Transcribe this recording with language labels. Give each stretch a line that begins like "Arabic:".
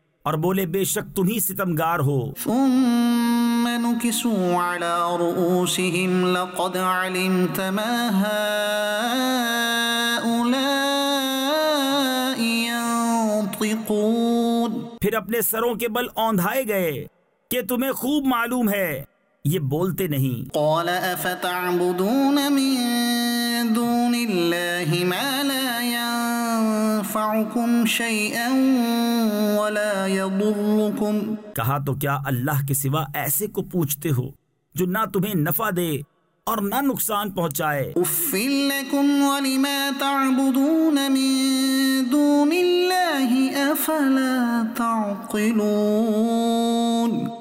Urdu: اور بولے بے شک تم ہی ستمگار ہو.
Arabic: ثم نكسوا على رؤوسهم لقد علمت ما هؤلاء ينطقون.
Urdu: پھر اپنے سروں کے بل اوندھائے گئے کہ تمہیں خوب معلوم ہے یہ بولتے نہیں.
Arabic: قال افتعبدون من دون اللہ ما لا ينفعكم شيئا ولا يضركم.
Urdu: کہا تو کیا اللہ کے سوا ایسے کو پوچھتے ہو جو نہ تمہیں نفع دے اور نہ نقصان پہنچائے.
Arabic: اُفِّلْ لَكُمْ وَلِمَا تَعْبُدُونَ مِن دُونِ اللَّهِ أَفَلَا تَعْقِلُونَ.